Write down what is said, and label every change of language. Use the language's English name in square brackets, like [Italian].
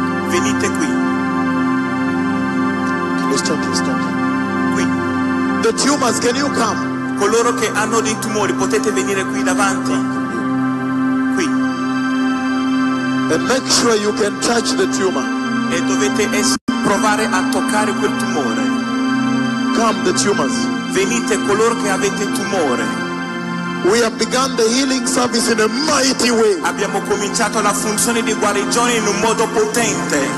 [Italian] Venite qui. [English] Stop. [Italian] Qui. [English] The tumors, can you come? [Italian] Coloro che hanno dei tumori, potete venire qui davanti. Qui. [English] And make sure you can touch the tumor. [Italian] E dovete provare a toccare quel tumore. [English] Come, the tumors. [Italian] Venite coloro che avete tumore. [English] We have begun the healing service in a mighty way. [Italian] Abbiamo cominciato la funzione di guarigione in un modo potente.